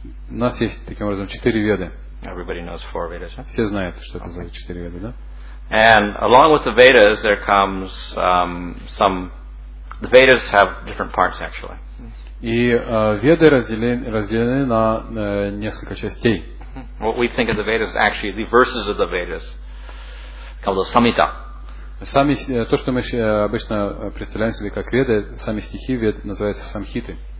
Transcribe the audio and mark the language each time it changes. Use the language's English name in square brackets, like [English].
[Russian] У нас есть таким образом четыре Веды. [English] Everybody knows four Vedas, huh? [Russian] Все знают, что это за четыре Веды, да? [English] And along with the Vedas, there comes some. The Vedas have different parts, actually. [Russian] И Веды разделены на несколько частей. [English] What we think of the Vedas actually the verses of the Vedas called the Samhita. [Russian] Сами, то, что мы обычно представляем себе как веды, сами стихи вед называются самхиты.